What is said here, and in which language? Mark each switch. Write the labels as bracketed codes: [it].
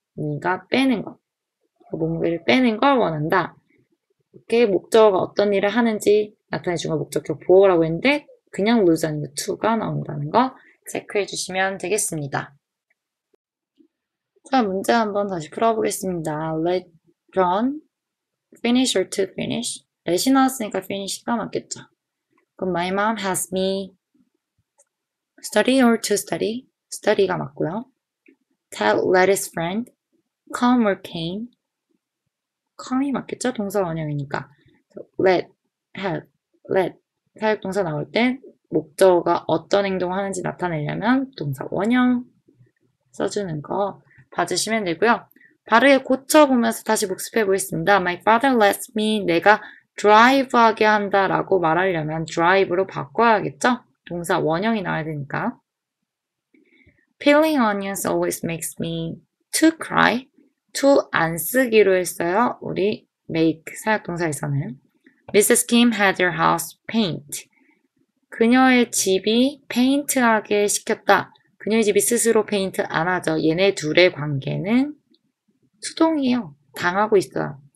[ko] 네가 빼는 것. 몸무게를 빼는 걸 원한다. 이렇게 목적어가 어떤 일을 하는지 나타내 준거 목적격 보어라고 했는데 그냥 lose 아니고 to가 나온다는 거 체크해 주시면 되겠습니다. 자, 문제 한번 다시 풀어보겠습니다. [en] Let run, finish or to finish? [ko] Let이 나왔으니까 finish가 맞겠죠. [en] My mom has me study or to study? Study가 [ko] 맞고요. [en] Tell, let his friend come or came? [ko] Come이 맞겠죠? 동사 원형이니까. Let, have, let. 사역 동사 나올 때 목적어가 어떤 행동을 하는지 나타내려면 동사 원형 써주는 거. 봐주시면 되고요. 바르게 고쳐보면서 다시 복습해 보겠습니다. [en] My father lets me [ko] 내가 드라이브 하게 한다라고 말하려면 드라이브로 바꿔야겠죠? 동사 원형이 나와야 되니까. [en] Peeling onions always makes me to cry. [ko] To 안 쓰기로 했어요. 우리 make 사역 동사에서는. [en] Mrs. Kim had her house paint. [ko] 그녀의 집이 페인트 하게 시켰다. 그녀의 집이 스스로 페인트 안 하죠. 얘네 둘의 관계는 수동이에요. 당하고 있어요.